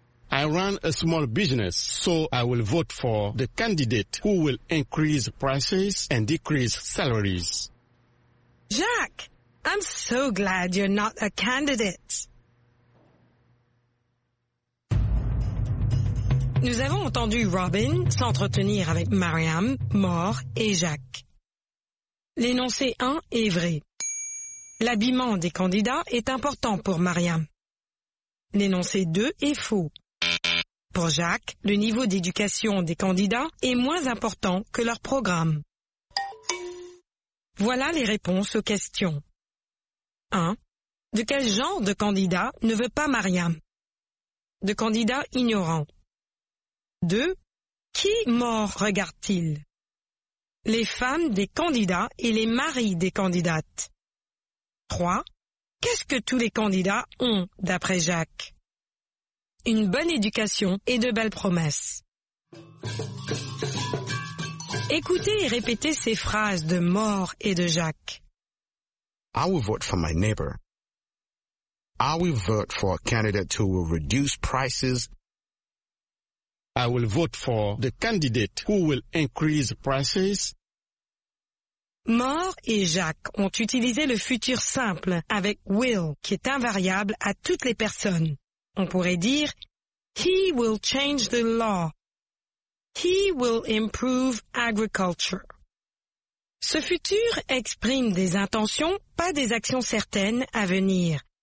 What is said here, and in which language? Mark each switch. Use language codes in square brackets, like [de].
[en] I run a small business, so I will vote for the candidate who will increase prices and decrease salaries. Jacques, I'm so glad you're not a candidate. [fr] Nous avons entendu Robin s'entretenir avec Mariam, Maure et Jacques. L'énoncé 1 est vrai. L'habillement des candidats est important pour Mariam. L'énoncé 2 est faux. Pour Jacques, le niveau d'éducation des candidats est moins important que leur programme. Voilà les réponses aux questions. 1. De quel genre de candidat ne veut pas Mariam? De candidat ignorant. 2. Qui mort regarde-t-il? Les femmes des candidats et les maris des candidates. 3. Qu'est-ce que tous les candidats ont, d'après Jacques? Une bonne éducation et de belles promesses. Écoutez et répétez ces phrases de Maure et de Jacques. [en] I will vote for my neighbor. I will vote for a candidate who will reduce prices. I will vote for the candidate who will increase prices. [fr] Maure et Jacques ont utilisé le futur simple avec will, qui est invariable à toutes les personnes. On pourrait dire, [en] he will change the law. He will improve agriculture. [fr] Ce futur exprime des intentions, pas des actions certaines à venir.